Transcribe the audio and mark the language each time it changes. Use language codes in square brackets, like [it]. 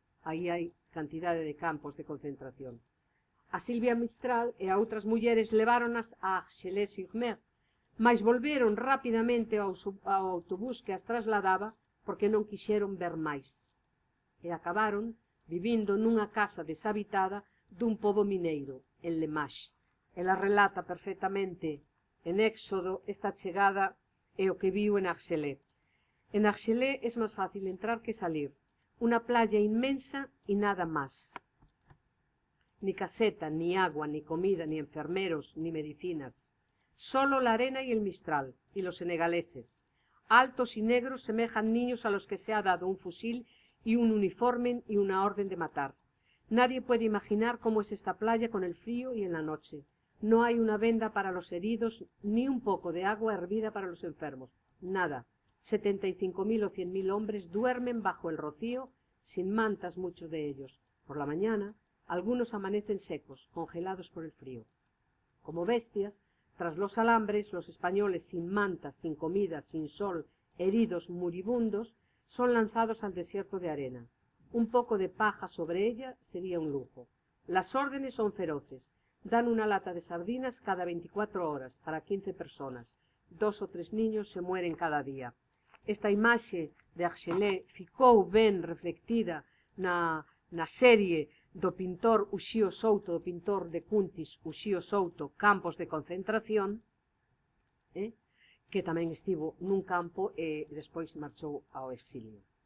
[gl] Aí hai cantidade de campos de concentración. A Silvia Mistral e a outras mulleres leváronas a Argelès-sur-Mer, mas volveron rapidamente ao autobús que as trasladaba porque non quixeron ver máis. E acabaron vivindo nunha casa deshabitada dun pobo mineiro, en Lemache. Ela relata perfectamente en Éxodo esta chegada e o que viu en Argelès. En Argelès é máis fácil entrar que salir. [es] una playa inmensa y nada más. Ni caseta, ni agua, ni comida, ni enfermeros, ni medicinas. Solo la arena y el mistral, y los senegaleses. Altos y negros semejan niños a los que se ha dado un fusil y un uniforme y una orden de matar. Nadie puede imaginar cómo es esta playa con el frío y en la noche. No hay una venda para los heridos, ni un poco de agua hervida para los enfermos. Nada. 75.000 o 100.000 hombres duermen bajo el rocío, sin mantas muchos de ellos. Por la mañana, algunos amanecen secos, congelados por el frío. Como bestias, tras los alambres, los españoles, sin mantas, sin comida, sin sol, heridos, moribundos, son lanzados al desierto de arena. Un poco de paja sobre ella sería un lujo. Las órdenes son feroces. Dan una lata de sardinas cada 24 horas para 15 personas. Dos o tres niños se mueren cada día. [gl] Esta imaxe de Archelet ficou ben reflectida na serie do pintor Uxío Souto, do pintor de Cuntis Uxío Souto, Campos de Concentración, que tamén estivo nun campo e despois marchou ao exilio.